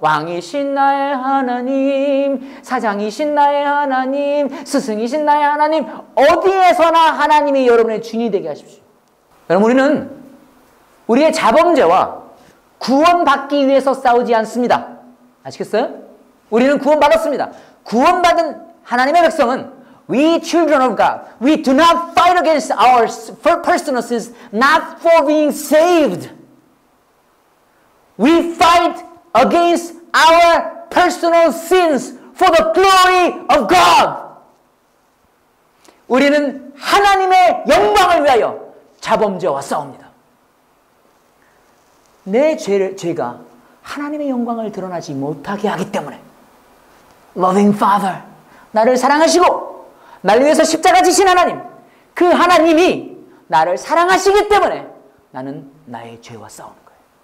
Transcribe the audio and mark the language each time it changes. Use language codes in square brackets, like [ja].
[ko] 왕이신 나의 하나님, 사장이신 나의 하나님, 스승이신 나의 하나님. 어디에서나 하나님이 여러분의 주인이 되게 하십시오. 여러분, 우리는 우리의 자범죄와 구원받기 위해서 싸우지 않습니다. 아시겠어요? 우리는 구원받았습니다. 구원받은 하나님의 백성은 [en] We children of God, we do not fight against our personal sins, not for being saved. We fight against our personal sins for the glory of God. [ko] 우리는 하나님의 영광을 위하여 자범죄와 싸웁니다. 내 죄가 하나님의 영광을 드러나지 못하게 하기 때문에 [en] Loving Father, [ko] 나를 사랑하시고 나를 위해서 십자가 지신 하나님, 그 하나님이 나를 사랑하시기 때문에 나는 나의 죄와 싸우는 거예요.